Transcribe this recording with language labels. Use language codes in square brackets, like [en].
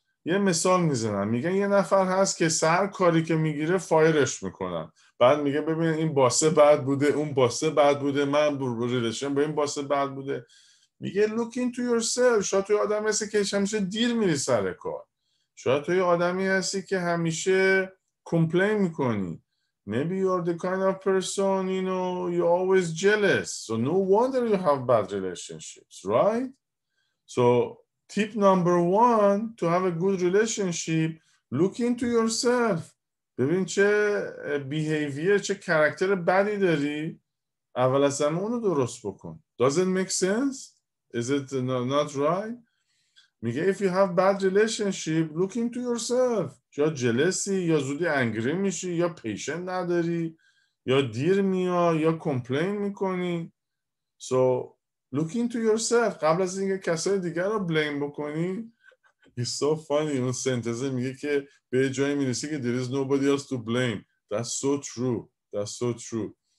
[fa] یه مثال میزنم، میگه یه نفر هست که سر کاری که میگیره فایرش میکنن، بعد میگه ببین این باسه بد بوده، اون باسه بد بوده، من ریلیشن با این باسه بد بوده. میگه [en] look into yourself، [fa] شاید توی آدمی هستی که همیشه دیر میری سر کار، شاید توی آدمی هستی که همیشه کمپلین میکنی. [en] Maybe you're the kind of person, you know, you're always jealous. So no wonder you have bad relationships, right? So tip number one to have a good relationship, look into yourself. [fa] ببین چه behavior، چه character بدی داری؟ اول از همه اونو درست بکن. [en] Does it make sense? Is it not right? [fa] میگه [en] if you have bad relationship, look into yourself. [fa] یا جلسی، یا زودی انگری میشی، یا پیشنت نداری، یا دیر میای، یا کمپلین میکنی. [en] So look into yourself. [fa] قبل از اینکه کسای دیگر رو بلیم بکنی. [en] It's so funny. [fa] اون سنتزه میگه که به جایی میرسی که [en] there is nobody else to blame. That's so true.